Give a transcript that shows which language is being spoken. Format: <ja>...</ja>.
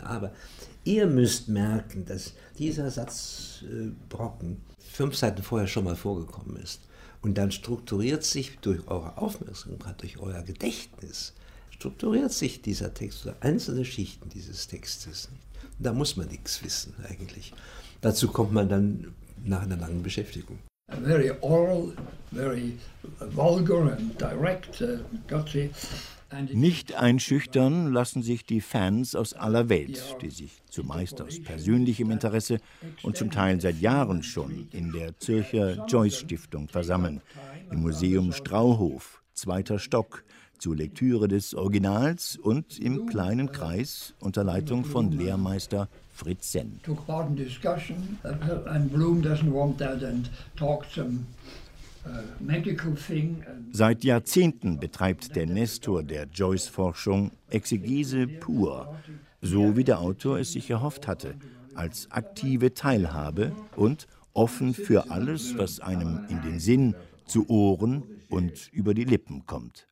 <de>Aber ihr müsst merken, dass dieser Satz Brocken 5 Seiten vorher schon mal vorgekommen ist. Und dann strukturiert sich durch eure Aufmerksamkeit, durch euer Gedächtnis, strukturiert sich dieser Text oder einzelne Schichten dieses Textes. Da muss man nichts wissen eigentlich. Dazu kommt man dann nach einer langen Beschäftigung.</de> <en>A very oral, very vulgar and direct, gutsy.</en> <de>Nicht einschüchtern lassen sich die Fans aus aller Welt, die sich zumeist aus persönlichem Interesse und zum Teil seit Jahren schon in der Zürcher Joyce-Stiftung versammeln, im Museum Strauhof, zweiter Stock, zur Lektüre des Originals und im kleinen Kreis unter Leitung von Lehrmeister Fritz Senn.</de> <en>Took part in discussion and Bloom doesn't want that and talked some medical thing.</en> <de>Seit Jahrzehnten betreibt der Nestor der Joyce-Forschung Exegese pur, so wie der Autor es sich erhofft hatte, als aktive Teilhabe und offen für alles, was einem in den Sinn, zu Ohren und über die Lippen kommt.</de>